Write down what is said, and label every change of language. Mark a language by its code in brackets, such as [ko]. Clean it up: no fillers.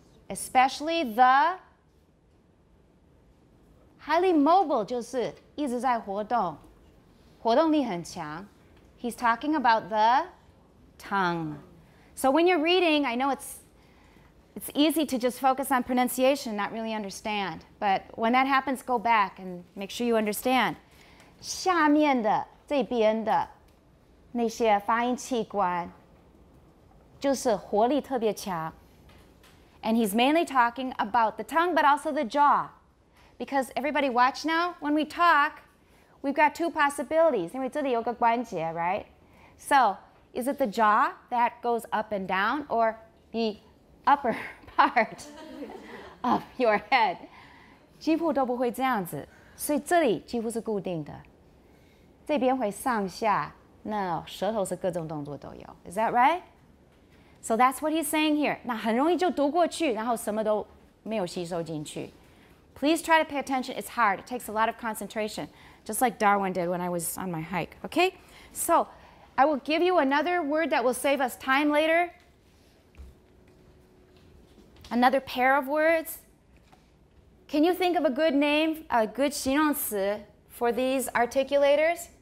[en] Especially the highly mobile [zh] 就是一直在活动，活动力很强。 [en] He's talking about the tongue. So when you're reading, I know it's easy to just focus on pronunciation, not really understand. But when that happens, go back and make sure you understand. [zh] 下面的这边的那些发音器官就是活力特别强。 [en] And he's mainly talking about the tongue, but also the jaw. Because everybody watch now, when we talk, we've got two possibilities. [zh] 因为这里有个关节, [en] right? So, is it the jaw that goes up and down, or the upper part of your head? [zh] 几乎都不会这样子。所以这里几乎是固定的。这边会上下。那舌头是各种动作都有。 [en] Is that right? So that's what he's saying here. [zh] 那很容易就读过去，然后什么都没有吸收进去。 [en] Please try to pay attention. It's hard. It takes a lot of concentration, just like Darwin did when I was on my hike. Okay? So I will give you another word that will save us time later. Another pair of words. Can you think of a good name, a good 形容词 for these articulators?